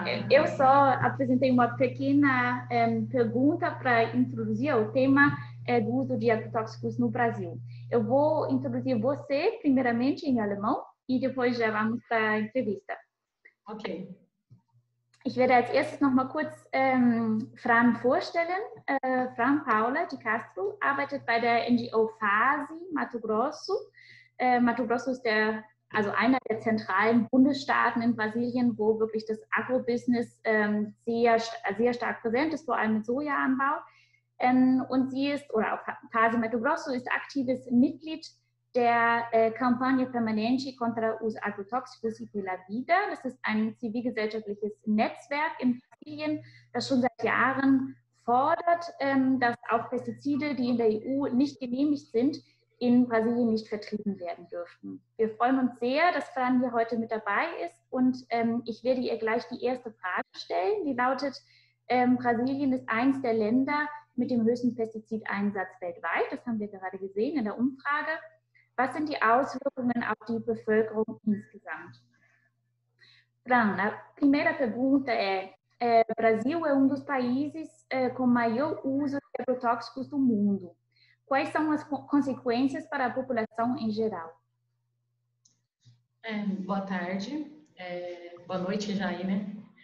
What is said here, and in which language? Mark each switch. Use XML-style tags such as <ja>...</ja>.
<pt>Eu só apresentei uma pequena pergunta para introduzir o tema do uso de agrotóxicos no Brasil. Eu vou introduzir você primeiramente em alemão e depois já vamos para a entrevista. Ok.</pt> <de>Ich werde als erstes noch mal kurz Fran vorstellen. Fran Paula de Castro arbeitet bei der NGO FASI Mato Grosso. Mato Grosso ist einer der zentralen Bundesstaaten in Brasilien, wo wirklich das Agrobusiness sehr stark präsent ist, vor allem mit Sojaanbau. Und sie ist, oder auch Fasi Mato Grosso, ist aktives Mitglied der Campagna Permanente contra os Agrotóxicos e pela Vida. Das ist ein zivilgesellschaftliches Netzwerk in Brasilien, das schon seit Jahren fordert, dass auch Pestizide, die in der EU nicht genehmigt sind, in Brasilien nicht vertrieben werden dürften. Wir freuen uns sehr, dass Fran hier heute mit dabei ist und ich werde ihr gleich die erste Frage stellen. Die lautet, Brasilien ist eins der Länder mit dem höchsten Pestizideinsatz weltweit. Das haben wir gerade gesehen in der Umfrage. Was sind die Auswirkungen auf die Bevölkerung insgesamt?</de> <pt>Fran, a primeira pergunta é, Brasil é dos países com maior uso de agrotóxicos do mundo. Quais são as consequências para a população em geral? Boa tarde, boa noite já aí, né?</pt>